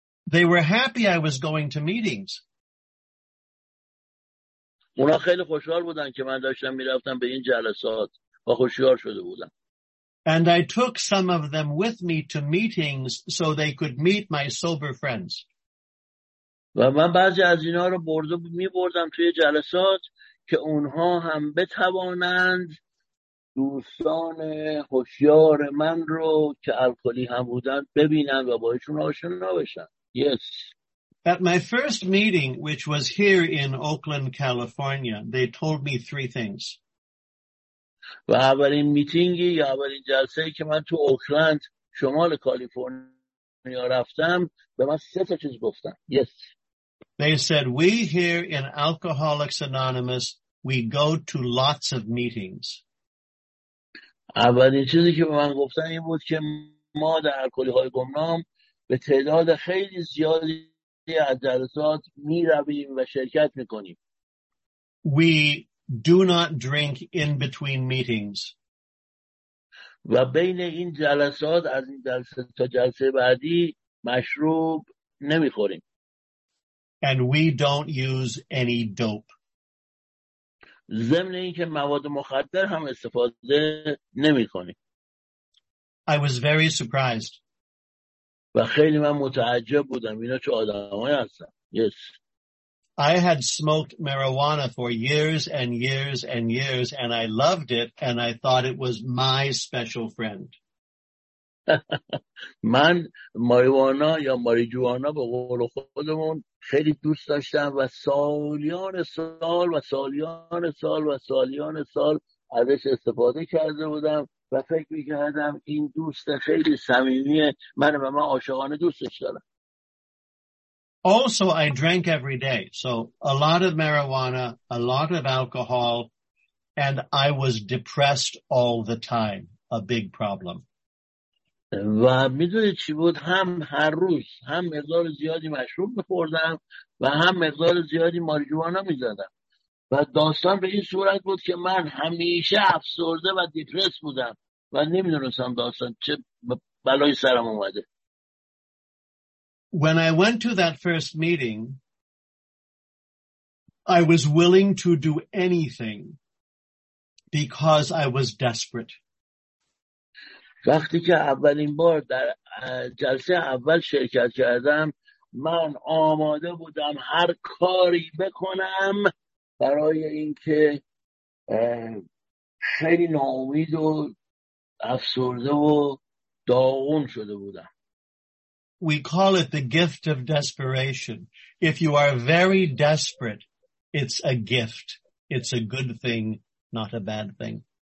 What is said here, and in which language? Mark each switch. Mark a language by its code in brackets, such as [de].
[en] They were happy I was going to meetings. [fa] اونا خیلی خوشحال بودن که من داشتم میرفتم به این جلسات و خوشحال شده بودن. [en] And I took some of them with me to meetings so they could meet my sober friends. [fa] و من بعضی از اینا رو می بردم توی جلسات که اونها هم بتوانند دوستان هوشیار من رو که الکلی هم بودن ببینن و باهاشون آشنا بشن. [en] Yes. At my first meeting, which was here in Oakland, California, they told me three things. [fa] و اولین میتینگی یا اولین جلسه‌ای که من تو اوکلند شمال کالیفرنیا رفتم به من سه تا چیز گفتن. [en] Yes. They said, we here in Alcoholics Anonymous, we go to lots of meetings. [fa] اولین چیزی که به من گفتن این بود که ما در الکلی‌های گمنام به تعداد خیلی زیادی از جلسات می رویم و شرکت می کنیم. [en] We do not drink in between meetings. [fa] و بین این جلسات از این جلسه تا جلسه بعدی مشروب نمی خوریم. [en] And we don't use any dope. [fa] ضمن اینکه مواد مخدر هم استفاده نمی کنیم. [en] I was very surprised. [fa] و خیلی من متعجب بودم اینا چه آدمایی هستن. [en] Yes. I had smoked marijuana for years and years and years and I loved it and I thought it was my special friend. [fa] من ماریجوانا یا ماریجوانا به قول خودمون خیلی دوست داشتم و سالیان سال ازش استفاده کرده بودم و فکر می‌کردم این دوست خیلی صمیمیه منم من عاشقانه دوستش دارم. [en] Also, I drank every day, so a lot of marijuana, a lot of alcohol, and I was depressed all the time, a big problem. [fa] و میدونی چی بود؟ هم هر روز هم مقدار زیادی مشروب می‌خوردم و هم مقدار زیادی ماریجوانا می‌زدم و داستان به این صورت بود که من همیشه افسرده و دیپرس بودم و نمیدونستم داستان چه بلایی سرم اومده. [en] When I went to that first meeting, I was willing to do anything because I was desperate. [fa] وقتی که اولین بار در جلسه اول شرکت کردم، من آماده بودم هر کاری بکنم برای اینکه خیلی ناامید و افسرده و داغون شده بودم. [en] We call it the gift of desperation. If you are very desperate, it's a gift. It's a good thing, not a bad thing.